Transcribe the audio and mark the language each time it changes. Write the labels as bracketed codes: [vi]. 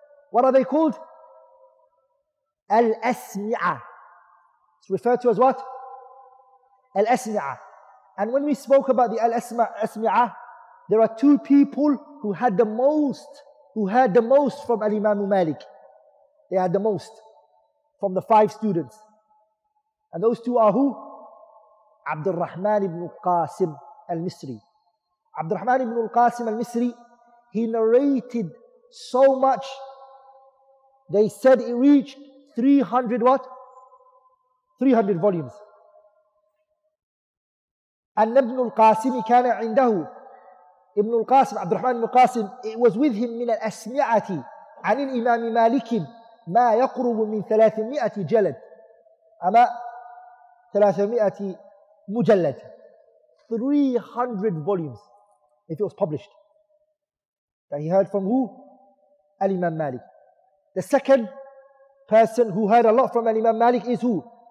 [en] What are they called? Al-Asmi'a. It's referred to as what? Al-Asmi'a. And when we spoke about the Al-Asmi'a, there are two people who had the most, who heard the most from Al-Imam Malik. They had the most from the five students. And those two are who? [ar] عبد الرحمن بن القاسم المصري. [en] عبد الرحمن بن القاسم المصري, he narrated so much, they said it reached 300 what? 300 volumes. [ar] أن ابن القاسم كان عنده ابن القاسم عبد الرحمن بن القاسم, [en] it was with him [ar] من الأسمعة عن الإمام مالك ما يقرب من 300 جلد. أما 300 مجلد, [en] 300 volumes if it was published, that he heard from who? Al-Imam Malik. The second person who heard a lot from Al-Imam Malik is who?